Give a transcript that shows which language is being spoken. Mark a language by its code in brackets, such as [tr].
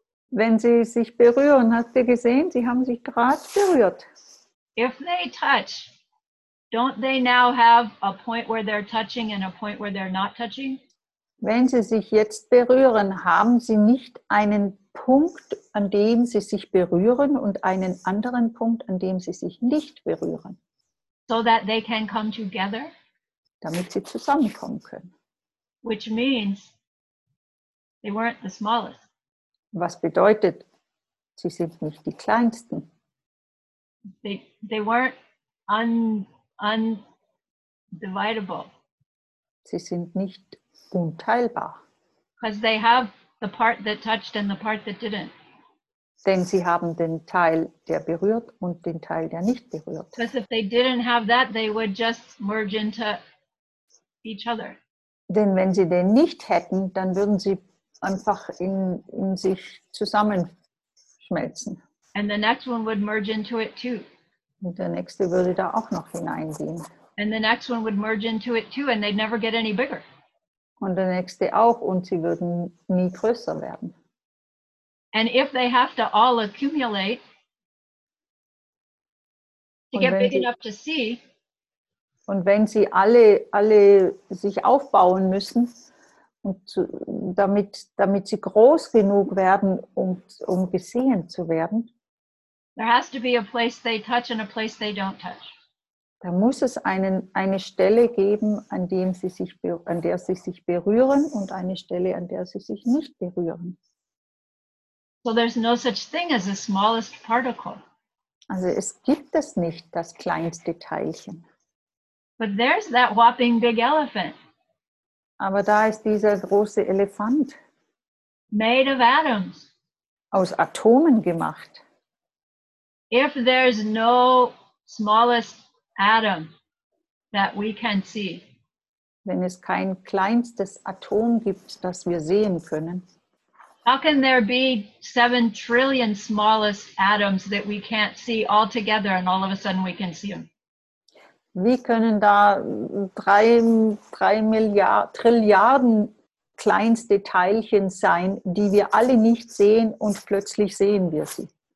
[de] Wenn sie sich berühren, hast du gesehen, sie haben sich gerade berührt. [en] If they touch, don't they now have a point where they're touching and a point where they're not touching? [de] Wenn sie sich jetzt berühren, haben sie nicht einen Punkt, an dem sie sich berühren und einen anderen Punkt, an dem sie sich nicht berühren? [en] So that they can come together? [de] Damit sie zusammenkommen können. [en] Which means they weren't the smallest. [de] Was bedeutet, sie sind nicht die kleinsten. [en] They weren't undividable. [de] Sie sind nicht unteilbar. [en] Because they have the part that touched and the part that didn't. [de] Denn sie haben den Teil, der berührt, und den Teil, der nicht berührt. [en] Because if they didn't have that, they would just merge into each other. [de] Denn wenn sie den nicht hätten, dann würden sie einfach in sich zusammenschmelzen. [en] And the next one would merge into it too. [de] Und der nächste würde da auch noch hineingehen. [en] And the next one would merge into it too, and they'd never get any bigger. [de] Und der nächste auch, und sie würden nie größer werden. [en] And if they have to all accumulate to get big enough to see. [de] Und wenn sie alle sich aufbauen müssen, und damit sie groß genug werden, um gesehen zu werden, da muss es eine Stelle geben, an der sie sich berühren, und eine Stelle, an der sie sich nicht berühren. [en] So there's no such thing as the smallest particle. [de] Also es gibt es nicht, das kleinste Teilchen. [en] But there's that whopping big elephant. [de] Aber da ist dieser große Elefant. [en] Made of atoms. [de] Aus Atomen gemacht. [en] If there's no smallest atom that we can see, [de] wenn es kein kleinstes Atom gibt, das wir sehen können, [en] how can there be 7 trillion smallest atoms that we can't see all together and all of a sudden we can see them? [de] Wie können da drei Trilliarden kleinste Teilchen sein, die wir alle nicht sehen und plötzlich sehen wir sie?